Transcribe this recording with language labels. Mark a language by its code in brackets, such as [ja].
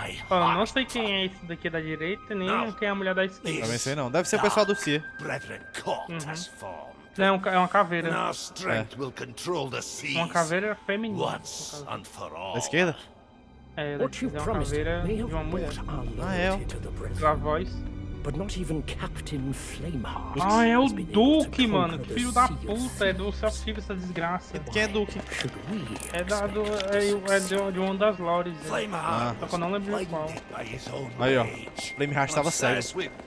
[pt] Oh, não sei quem é esse daqui da direita, nem não. Quem é a mulher da esquerda. Também sei não. Deve ser o pessoal do CIA. Uhum. É uma caveira. É. Uma caveira feminina. Da esquerda? É, da esquerda. É uma caveira de uma mulher. Ah, é. Da voz. [en] But not even Captain Flameheart. [pt] Ah, é o Duke, mano. Que filho da puta. É do Self-Tive essa desgraça. Quem é Duke? É da do. É de uma das lores. É. Ah. Só que eu não lembro de qual. Aí, ó. Flameheart estava cego.